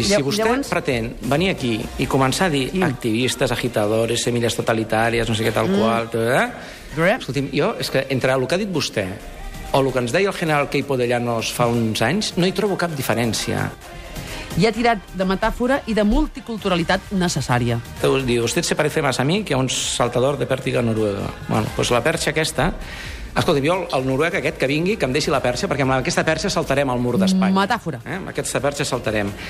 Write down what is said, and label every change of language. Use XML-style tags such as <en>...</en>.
<ca>I si vostè pretén venir aquí i començar a dir activistes, agitadores, semilles totalitàries, no sé què tal qual... Escolti'm, jo, és que entre el que ha dit vostè o el que ens deia el general Queipo de Llanos fa uns anys, no hi trobo cap diferència. I ha tirat de metàfora i de multiculturalitat necessària.</ca> <es>Diu, usted se parece más a mí que a un saltador de pèrtiga noruega.</es> <ca>Bueno, pues la perxa aquesta... Escolta, jo, el noruec aquest que vingui, que em deixi la perxa, perquè amb aquesta perxa saltarem al mur d'Espanya. Metàfora. Amb aquesta perxa saltarem.</ca>